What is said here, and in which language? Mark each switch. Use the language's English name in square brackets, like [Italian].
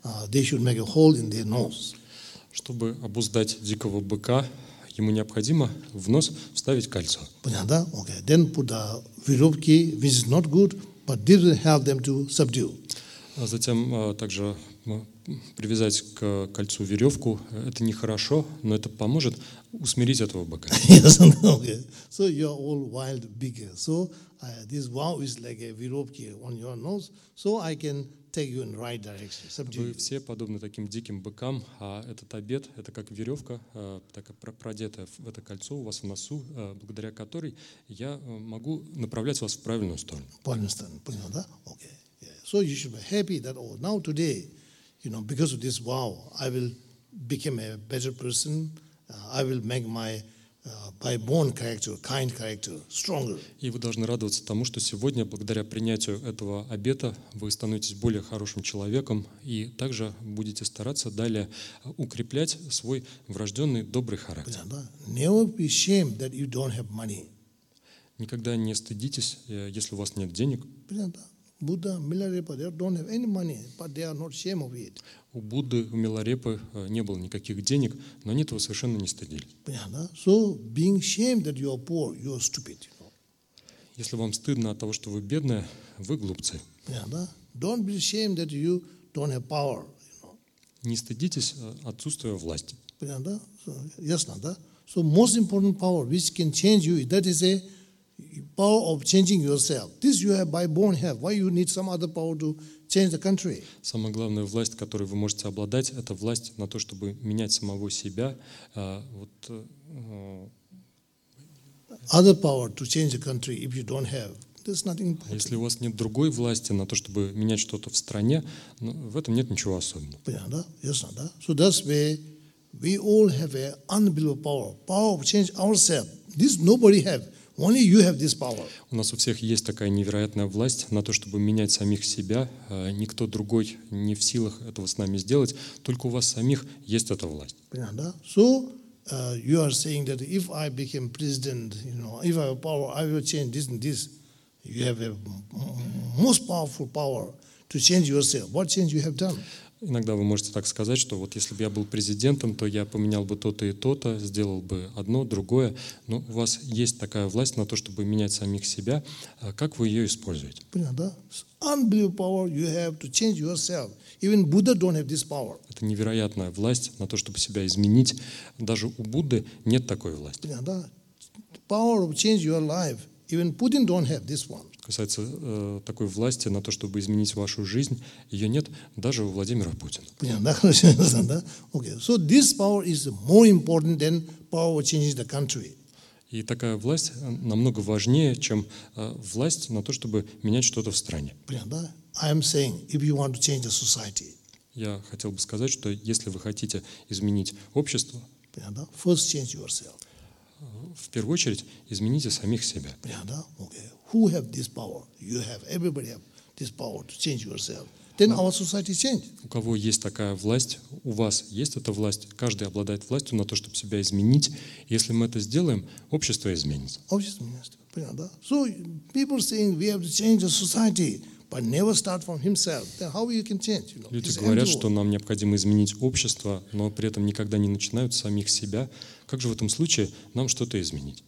[English] They should make a hole in their nose. [Russian] Чтобы обуздать дикого быка, ему необходимо в нос вставить кольцо. Понятно, да? Okay. [English] Then put the [Russian] веревки, [English] which is not good, but this will help them to subdue. [Russian] А затем также привязать к кольцу веревку, это нехорошо, но это поможет усмирить этого быка. [English] Yes, okay. So you are all wild bigger. So this wow is like a [Russian] веревки [English] on your nose, so I can take you in right direction. Subdue. [Russian] Вы все подобны таким диким быкам, а этот обед, это как веревка, так продетая в это кольцо у вас в носу, благодаря которой я могу направлять вас в правильную сторону. Правильную сторону, понял, да? [English] Okay. Yeah. So you should be happy that oh, now today, you know, because of this vow, I will become a better person. I will make my by born character, kind character, stronger. [Russian] И вы должны радоваться тому, что сегодня, благодаря принятию этого обета, вы становитесь более хорошим человеком и также будете стараться далее укреплять свой врожденный добрый характер. [English] Never be ashamed that you don't have money. [Russian] Никогда не стыдитесь, если у вас нет денег. [English] Buddha, Milarepa, they don't have any money, but they are not ashamed of it. [Russian] У Будды, у Миларепы не было никаких денег, но они этого совершенно не стыдились. Понятно? [English] So being ashamed that you are poor, you are stupid. You know? [Russian] Если вам стыдно от того, что вы бедные, вы глупцы. Понятно? [English] Don't be ashamed that you don't have power. You know? [Russian] Не стыдитесь отсутствия власти. Понятно? So, ясно, да? [English] So most important power which can change you, that is a power of changing yourself. This you have by born have. Why you need some other power to change the country? [Russian] Самая главная власть, которой вы можете обладать, это власть на то, чтобы менять самого себя. Вот, [English] other power to change the country if you don't have. There's nothing important. [Russian] Если у вас нет другой власти на то, чтобы менять что-то в стране, ну, в этом нет ничего особенного. Понятно, да? Ясно, да? [English] So that's where we all have an unbelievable power. Power of change ourselves. This nobody have. Only you have this power. [Russian] У нас у всех есть такая невероятная власть на то, чтобы менять самих себя. Никто другой не в силах этого с нами сделать. Только у вас самих есть эта власть. Понятно, да? [English] So, you are saying that if I became president, you know, if I have power, I will change this and this. You have a most powerful power to change yourself. What change you have done? [Russian] Иногда вы можете так сказать, что вот если бы я был президентом, то я поменял бы то-то и то-то, сделал бы одно, другое. Но у вас есть такая власть на то, чтобы менять самих себя. Как вы ее используете? Понятно, да? [English] Unbelievable power you have to change yourself. Even Buddha don't have this power. [Russian] Это невероятная власть на то, чтобы себя изменить. Даже у Будды нет такой власти. Понятно, да? [English] Power of change your life. Even Putin don't have this one. [Russian] Касается такой власти на то, чтобы изменить вашу жизнь, ее нет даже у Владимира Путина. Понятно, да? Okay. [English] So this power is more important than power of changing the country. [Russian] И такая власть намного важнее, чем власть на то, чтобы менять что-то в стране. Понятно, да? [English] I am saying, if you want to change the society. [Russian] Я хотел бы сказать, что если вы хотите изменить общество, понятно, да? [English] First change yourself. [Russian] В первую очередь, измените самих себя. Понятно, да? [English] Okay. Who have this power? You have. Everybody have this power to change yourself. then our society changes. [Russian] У кого есть такая власть, у вас есть эта власть, каждый обладает властью на то, чтобы себя изменить. Если мы это сделаем, общество изменится. Общество изменится. Понятно, да? [English] So people saying we have to change the society, but never start from himself. Then how you can change? You know? [Russian] Люди говорят, что нам необходимо изменить общество, но при этом никогда не начинают с самих себя. Как же в этом случае нам что-то изменить?